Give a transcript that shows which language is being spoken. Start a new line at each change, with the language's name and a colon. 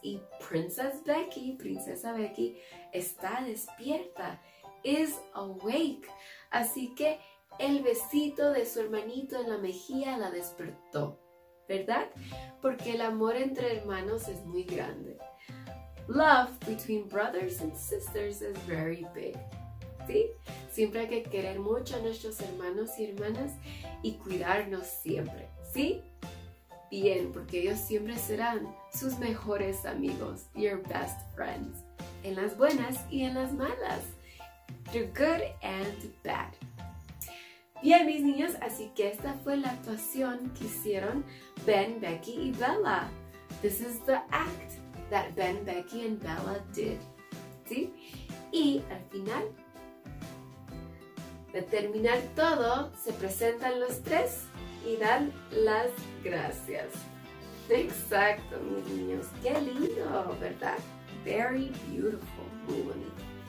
Spanish: Y Princess Becky, Princesa Becky, está despierta.
English: Is awake.
Spanish: Así que el besito de su hermanito en la mejilla la despertó, ¿verdad? Porque el amor entre hermanos es muy grande.
English: Love between brothers and sisters is very big.
Spanish: ¿Sí? Siempre hay que querer mucho a nuestros hermanos y hermanas y cuidarnos siempre, ¿sí? Bien, porque ellos siempre serán sus mejores amigos,
English: your best friends,
Spanish: en las buenas y en las malas,
English: through good and bad.
Spanish: Bien, mis niños, así que esta fue la actuación que hicieron Ben, Becky y Bella.
English: This is the act that Ben, Becky and Bella did.
Spanish: ¿Sí? Y al final, de terminar todo, se presentan los tres y dan las gracias. Exacto, mis niños. Qué lindo, ¿verdad?
English: Very beautiful.
Spanish: Muy bonito.